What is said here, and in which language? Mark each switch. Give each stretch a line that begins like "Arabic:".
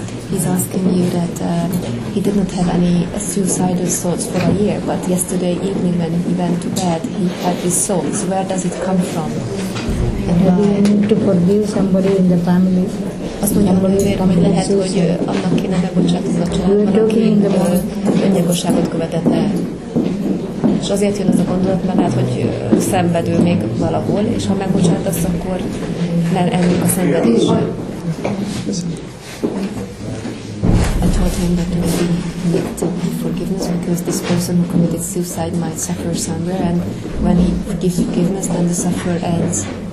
English: He's asking you that he did not have any suicidal thoughts for a year, but yesterday evening when he went to bed, he had these thoughts. Where does it come from? And why? Maybe I need to forgive somebody in the family.
Hungarian: Azt mondja, hogy miért, ami lehet, hogy annak kéne megbocsátni a családban, aki öngyilkosságot követett el. És azért jön ez a gondolat, mert lehet, hogy szenvedő még valahol, és ha megbocsátasz, akkor elmúlik a szenvedésre.
English: I told him that maybe he needed to be forgiven because this person who committed suicide might suffer somewhere, and when he gives forgiveness, then the suffer ends.